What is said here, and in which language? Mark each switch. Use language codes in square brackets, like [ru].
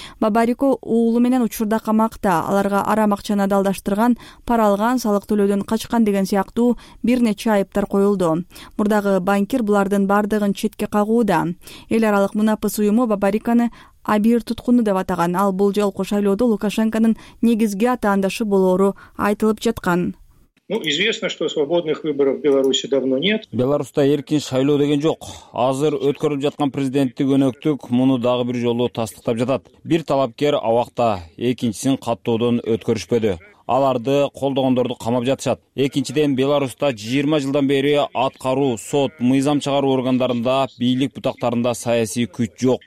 [ky] Бабарико уулу менен учурда камакта, аларга арам акчаны далдаштырган, пара алган, салык төлөөдөн качкан деген сыяктуу бир нече айыптар коюлду. Мурдагы банкир булардын бардыгын четке кагууда. Эл аралык мунапыс уюму Бабариконы абийир туткуну деп атаган. Ал бул жолку шайлоодо Лукашенконун негизги атаандашы болоору айтылып жаткан. [ru] Ну, известно, что свободных выборов в Беларуси давно нет. [ky] Беларусьта эркин шайлоо деген жок. Азыр өткөрүлүп жаткан президенттик өнөктүк муну дагы бир жолу тастыктап жатат. Бир талапкер абакта экинчисин каттоодон өткөрүшпөдү. Аларды колдогондорду камап жатышат. Экинчиден, Беларусьта 20 жылдан бери аткаруу, сот, мыйзам чыгаруу органдарында, бийлик бутактарында саясий күч жок.